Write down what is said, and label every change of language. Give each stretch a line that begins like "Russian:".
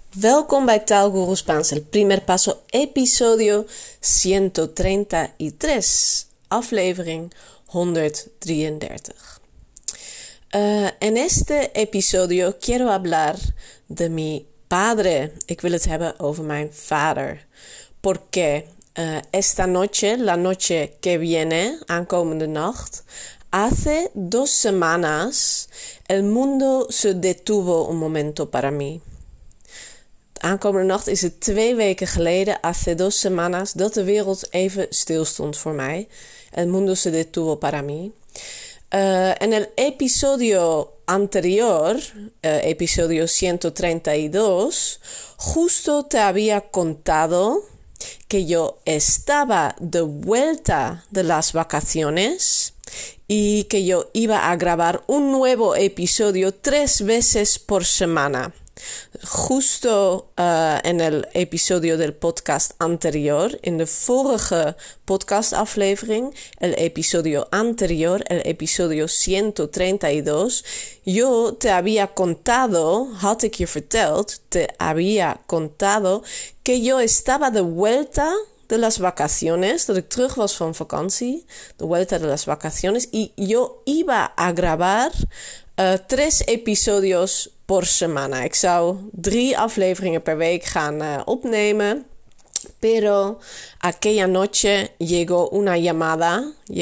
Dutch: Welkom bij Taalguru Spaans
Spanish: el primer paso, episodio 133,
Dutch: aflevering 133.
Spanish: En este episodio quiero hablar de mi padre.
Dutch: Ik wil het hebben over mijn vader.
Spanish: ¿Por qué? Esta noche, la noche que viene,
Dutch: aankomende nacht,
Spanish: hace dos semanas el mundo se detuvo un momento para mí.
Dutch: Aankomende nacht is het 2 weken geleden,
Spanish: hace dos semanas,
Dutch: dat de wereld even stilstond voor mij.
Spanish: El mundo se detuvo para mí. En el episodio anterior, episodio 132, justo te había contado que yo estaba de vuelta de las vacaciones y que yo iba a grabar un nuevo episodio 3 veces por semana. Justo en el episodio del podcast anterior,
Dutch: en de vorige podcast aflevering,
Spanish: el episodio anterior, el episodio 132, yo te había contado,
Dutch: had ik je verteld,
Spanish: te había contado que yo estaba de vuelta de las vacaciones,
Dutch: dat ik terug was van vakantie,
Spanish: de vuelta de las vacaciones, y yo iba a grabar 3 episodios por semana.
Dutch: Ik zou 3 afleveringen per week gaan opnemen.
Spanish: Pero aquella noche llegó una llamada.